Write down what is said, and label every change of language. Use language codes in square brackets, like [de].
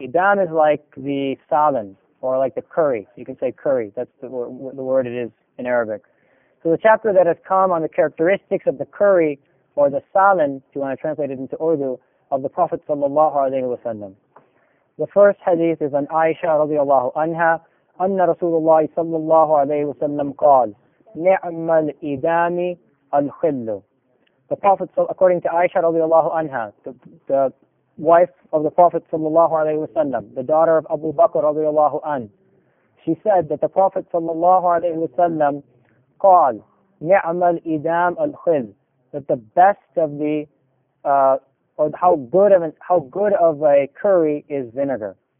[en] Idam is like the salan, or like the curry. You can say curry, that's the word it is in Arabic. So the chapter that has come on the characteristics of the curry, or the salan, if you want to translate it into Urdu, of the Prophet sallallahu alayhi wa sallam. The first hadith is on Aisha radiallahu anha. [ar] أن رسول الله صلى الله عليه وسلم قال نعم الإدام الخل. [en] The Prophet, according to Aisha رضي الله عنها, the wife of the Prophet صلى الله عليه وسلم, the daughter of Abu Bakr رضي الله عنه, she said that the Prophet صلى الله عليه وسلم [ar] قال نعم الإدام الخل, [en] that the best of the how good of a curry is vinegar.